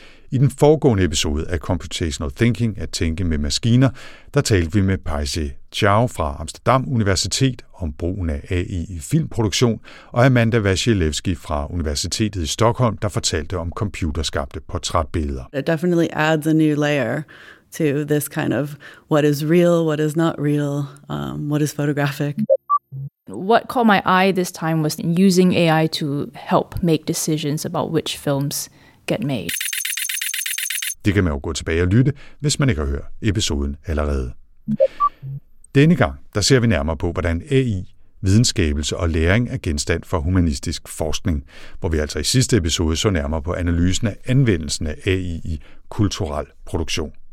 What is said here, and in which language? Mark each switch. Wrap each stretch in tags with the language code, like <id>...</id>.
<da>I den foregående episode af Computational Thinking at tænke med maskiner, der talte vi med Peise Chau fra Amsterdam Universitet om brugen af AI i filmproduktion, og Amanda Wasilewski fra Universitetet i Stockholm, der fortalte om computerskabte portrætbilleder.</da> <en>It definitely adds a new layer to this kind of what is real, what is not real, what is photographic. What caught my eye this time was using AI to help make decisions about which films get made.</en> <da>Det kan man jo gå tilbage og lytte, hvis man ikke har hørt episoden allerede. Denne gang, der ser vi nærmere på, hvordan AI, videnskabelse og læring er genstand for humanistisk forskning, hvor vi altså i sidste episode så nærmere på analysen af anvendelsen af AI i kulturel produktion.</da>